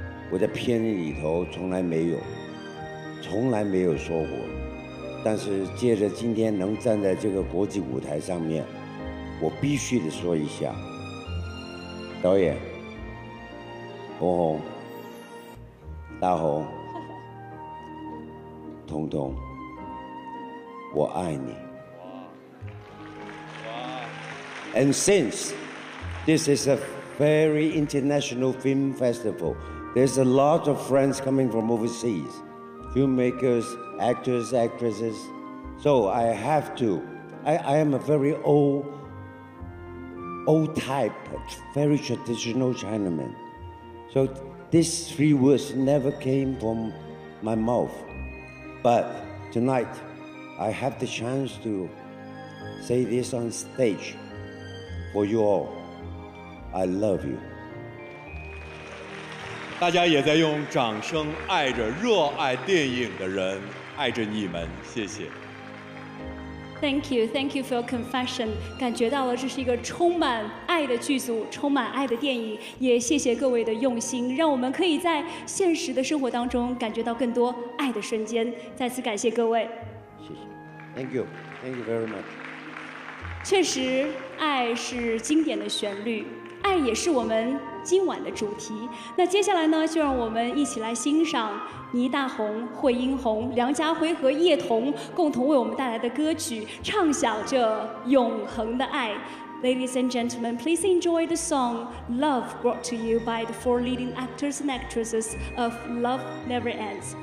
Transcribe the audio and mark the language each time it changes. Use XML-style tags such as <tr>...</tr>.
<zh>我在片子里头从来没有说过，但是借着今天能站在这个国际舞台上面，我必须得说一下，导演红红、大红、彤彤，我爱你。</zh> <en>And since this is a very international film festival, there's a lot of friends coming from overseas, filmmakers, actors, actresses. So I have to, I am a very old type, very traditional Chinaman. So these three words never came from my mouth. But tonight,I have the chance to say this on stage for you all. I love you.</en> <zh>大家也在用掌声爱着热爱电影的人，爱着你们，谢谢。</zh> <en>Thank you for your confession.</en> <zh>感觉到了这是一个充满爱的剧组，充满爱的电影，也谢谢各位的用心，让我们可以在现实的生活当中感觉到更多爱的瞬间。再次感谢各位。</zh> <en>Thank you very much.</en> <zh>确实，爱是经典的旋律，爱也是我们今晚的主题。那接下来呢，就让我们一起来欣赏倪大红、惠英红、梁家辉和叶童共同为我们带来的歌曲，唱响这永恒的爱。</zh> <en>Ladies and gentlemen, please enjoy the song Love, brought to you by the four leading actors and actresses of Love Never Ends.</en>